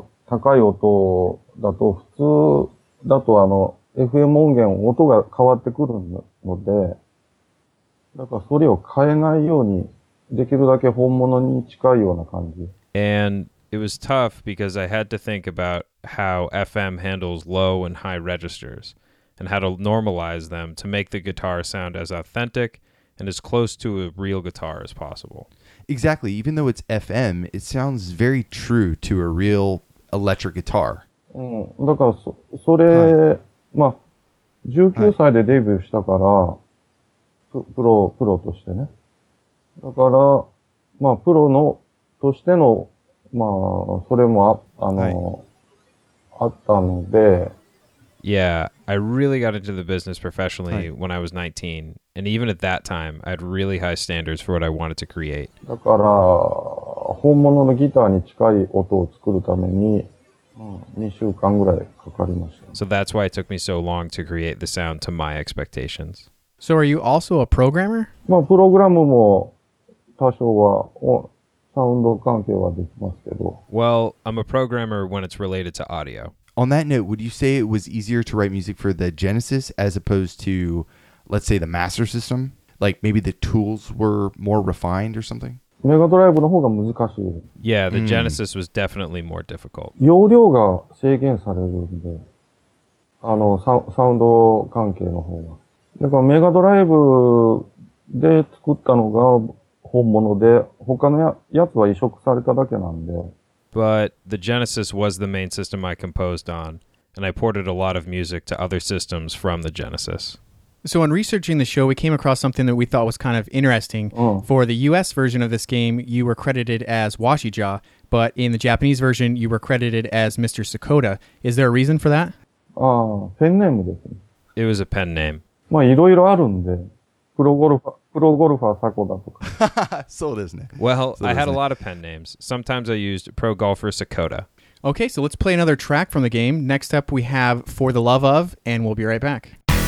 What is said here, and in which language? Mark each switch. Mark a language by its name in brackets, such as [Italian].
[Japanese] 高い音だと普通だとあの FM 音源音が変わってくるので、だからそれを変えないようにできるだけ本物に近いような感じ。 [English] And it was tough because I had to think about how FM handles low and high registers and how to normalize them to make the guitar sound as authentic and as close to a real guitar as possible. Exactly. Even though it's FM, it sounds very true to a real electric guitar. [Japanese] だからそれ、まあ、19歳でデビューしたから、プロとしてね。だから、まあ、プロのとしての、まあ、それも、あったので。 [English] Yeah, I really got into the business professionally when I was 19. And even at that time, I had really high standards for what I wanted to create. [Japanese] だから、本物のギターに近い音を作るために、2週間ぐらいかかりました。 [English] So that's why it took me so long to create the sound to my expectations. So are you also a programmer? [Japanese] まあ、プログラムも多少は、サウンド関係はできますけど。 [English] Well, I'm a programmer when it's related to audio. On that note, would you say it was easier to write music for the Genesis as opposed to, let's say, the Master System? Like, maybe the tools were more refined or something? [Japanese] メガドライブの方が難しい。 [English] Yeah, the Genesis was definitely more difficult. [Japanese] 容量が制限されるんで、あの、サウンド関係の方が。だからメガドライブで作ったのが本物で、他のやつは移植されただけなんで。 [English] But the Genesis was the main system I composed on, and I ported a lot of music to other systems from the Genesis. So in researching the show, we came across something that we thought was kind of interesting. For the US version of this game, you were credited as Washija, but in the Japanese version, you were credited as Mr. Sakoda. Is there a reason for that? Pen name [Japanese] ですね。 [English] It was a pen name. [Japanese] まあいろいろあるんで、プロゴルファー、サコダとか。そうですね。 [English] Well, I had a lot of pen names. Sometimes I used Pro Golfer Sakoda. Okay, so let's play another track from the game. Next up, we have For the Love Of, and we'll be right back.